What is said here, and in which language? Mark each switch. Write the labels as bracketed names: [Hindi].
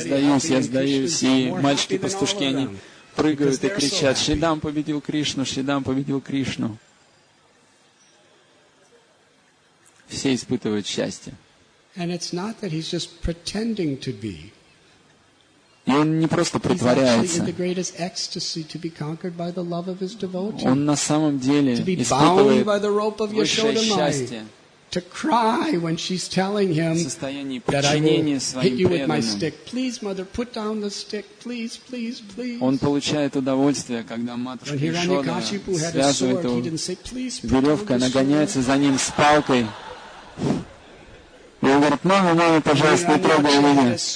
[Russian] Я сдаюсь. И мальчики-пастушки, они прыгают и кричат: Шридам победил Кришну, Шридам победил Кришну. Все испытывают счастье. [English] And it's not that he's just pretending to be. [Russian] И он не просто притворяется. [English] He's actually in the greatest ecstasy to be [Russian] он на самом деле испытывает высшее счастье. [English] To cry when she's telling him that I hit you with my stick. Please, mother, put down the stick. Please, please, please. [Russian] Он получает удовольствие, когда матушка Ишода связывает его веревкой, она гоняется за ним с палкой. И он говорит: мама, мама, пожалуйста, не трогай меня.